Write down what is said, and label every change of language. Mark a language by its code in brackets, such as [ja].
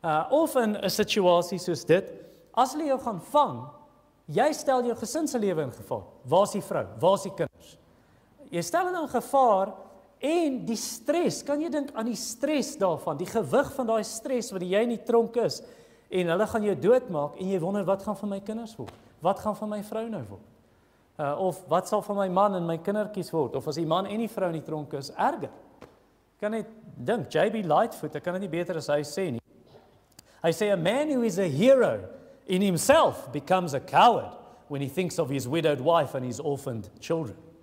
[af] Of in 'n situasie soos dit, as hulle jou gaan vang, jy stel jou gesinslewe in gevaar. Waar is die vrou? Waar is die kinders? Jy stel hulle in gevaar en die stres, kan jy dink aan die stres daarvan, die gewig van daai stres wat jy in die tronk is, en hulle gaan jou doodmaak en jy wonder wat gaan van my kinders word? Wat gaan van my vrou nou word? Of wat sal van my man en my kindertjies word? Of as die man en die vrou in die tronk is, erger. Ek kan net dink, J.B. Lightfoot, ek kan het nie beter as hy sê nie. Hy sê, [en] a man who is a hero in himself becomes a coward when he thinks of his widowed wife and his orphaned children.